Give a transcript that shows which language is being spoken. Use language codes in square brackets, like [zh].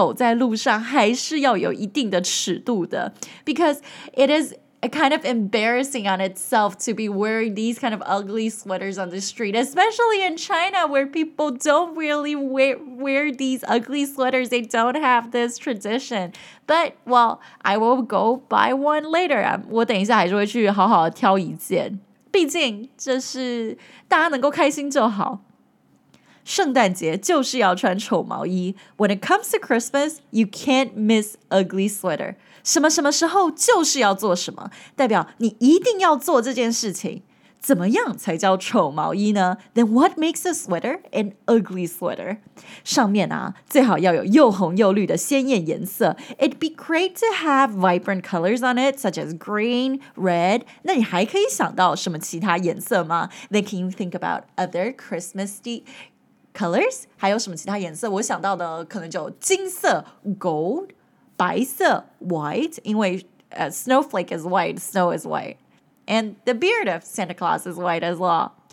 [zh] 那基本上就当然就是要有这些圣诞节必备的元素啊。我等一下下午就要去买一件丑毛衣，这其实真的压力蛮大的，毕竟要穿着这么丑的毛衣走在路上还是要有一定的尺度的。 [en] Because it is kind of embarrassing on itself to be wearing these kind of ugly sweaters on the street, especially in China where people don't really wear these ugly sweaters. They don't have this tradition. But, well, I will go buy one later. [zh] 我等一下还是会去好好挑一件。毕竟这是大家能够开心就好。圣诞节就是要穿丑毛衣。 [en] When it comes to Christmas, you can't miss ugly sweater. [zh] 什么什么时候就是要做什么, 代表你一定要做这件事情。怎么样才叫丑毛衣呢? [en] Then what makes a sweater an ugly sweater? [zh] 上面啊, 最好要有又红又绿的鲜艳颜色。 [en] It'd be great to have vibrant colors on it, such as green, red. [zh] 那你还可以想到什么其他颜色吗? [en] Then can you think about other Christmasy colors? [zh] 还有什么其他颜色?我想到的可能就金色, gold, 白色, white, 因为 [en] snowflake is white, snow is white. And the beard of Santa Claus is white as well.